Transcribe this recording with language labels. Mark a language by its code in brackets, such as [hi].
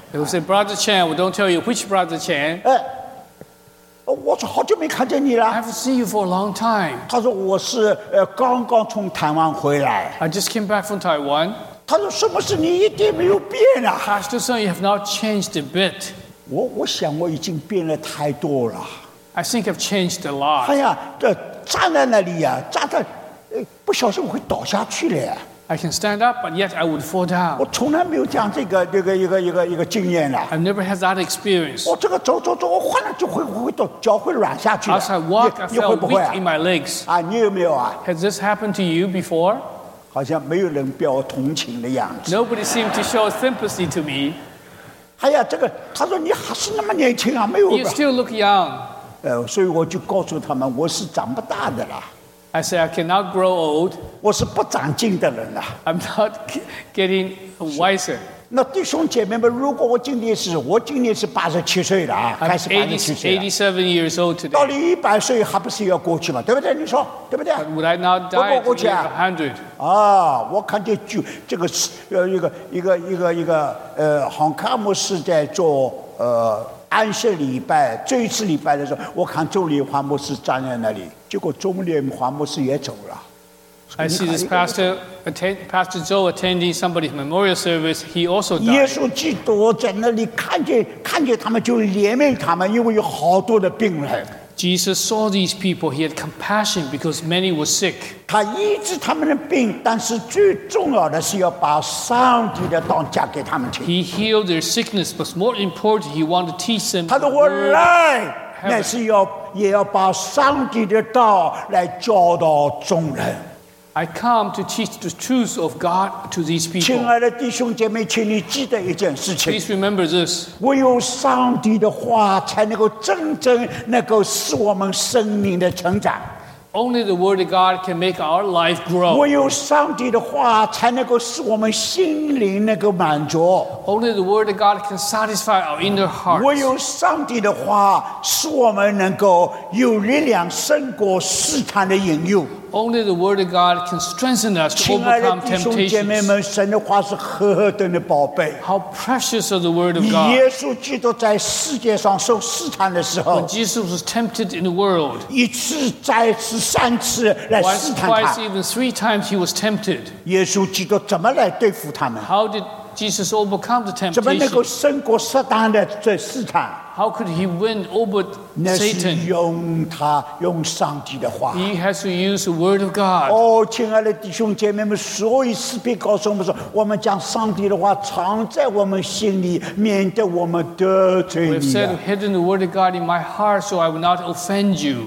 [en] ？He said, Brother Chen, we don't tell you which Brother Chen. [zh] 我说好久没看见你了。 [en] I haven't seen you for a long time. [zh] 他说我是刚刚从台湾回来。 [en] I just came back from Taiwan. [zh] 他说什么事？你一点没有变啊。 [en] Pastor Sun, you have not changed a bit. [zh] 我想我已经变了太多了。 [en] I think I've changed a lot. [zh] 哎呀，这站在那里呀、啊，站在，不小心我会倒下去了。 [en] I can stand up, but yet I would fall down. [zh] 我从来没有这样这个这个一个一个一个经验了。 [en] I've never had that experience. [zh] 我这个走，我忽然就会到脚会软下去。 [en] As I walk, I felt weak in my legs. [zh] 啊，你有没有啊 [en] ？Has this happened to you before? [zh] 好像没有人表同情的样子。 [en] Nobody seemed to show sympathy to me. [zh] 哎呀，这个他说你还是那么年轻啊，没有。 [en] You still look young. [zh] 所以我就告诉他们，我是长不大的了。 [en] I say I cannot grow old. [zh] 我是不长进的人啊。 [en] I'm not getting wiser. [zh] 那弟兄姐妹们，如果我今年是87岁了啊，开始87岁了。 [en] 87 years old today. [zh] 到了100岁还不是要过去吗？对不对？你说对不对 [en] ？Would I not die to live 100? [zh] 啊，我看见这个一个洪康牧师在做安息礼拜，最次礼拜的时候，我看周濂华牧师站在那里，结果周濂华牧师也走了。 [en] I see this Pastor Zhou attending somebody's memorial service. He also died. [zh] 耶稣基督在那里看见他们，就怜悯他们，因为有好多的病人。 [en] Jesus saw these people. He had compassion because many were sick. [zh] 他医治他们的病，但是最重要的是要把上帝的道加给他们听。 [en] He healed their sickness, but more important, he wanted to teach them. [zh] 他说我来，那是也要把上帝的道来教导众人。 [en] I come to teach the truth of God to these people. [zh] 亲爱的弟兄姐妹，请你记得一件事情。 [en] Please remember this. [zh] 唯有上帝的话才能够真正能够使我们生命的成长。 [en] Only the word of God can make our life grow. [zh] 唯有上帝的话才能够使我们心灵能够满足。 [en] Only the word of God can satisfy our inner heart. [zh] 唯有上帝的话使我们能够有力量胜过试探的引诱。 [en] Only the word of God can strengthen us to overcome temptations. [zh] 亲爱的弟兄姐妹们，神的话是何等的宝贝。 [en] How precious are the word of God. [zh] 耶稣基督在世界上受试探的时候， [en] When Jesus was tempted in the world. [zh] 一次再次三次来试探他。 [en] Twice, even three times he was tempted. [zh] 耶稣基督怎么来对付他们？ [en] How did Jesus overcome the temptation? [zh] 怎么能够胜过撒旦的这试探？ [en] How could he win over Satan? [zh] 用他用上帝的话。 [en] He has to use the word of God. [zh] 哦，亲爱的弟兄姐妹们，所以诗篇告诉我们说，我们将上帝的话藏在我们心里，免得我们得罪你。 [en] We've said, hidden the word of God in my heart, so I will not offend you.